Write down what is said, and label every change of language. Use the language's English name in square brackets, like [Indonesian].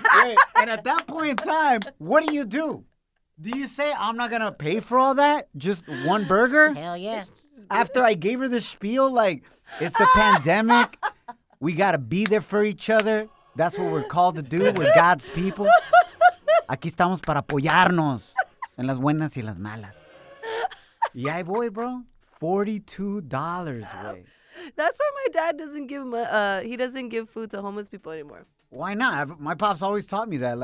[English] Wait, and at that point in time, what do you do? Do you say, I'm not going to pay for all that? Just one burger? Hell yeah. After I gave her this spiel, it's the pandemic. We got to be there for each other. That's what we're called to do. We're God's people. [Spanish] Aquí estamos para apoyarnos en las buenas y las malas. Y ahí voy, bro. $42, güey. [English] That's why my dad doesn't give food to homeless people anymore. Why not? My pops always taught me that.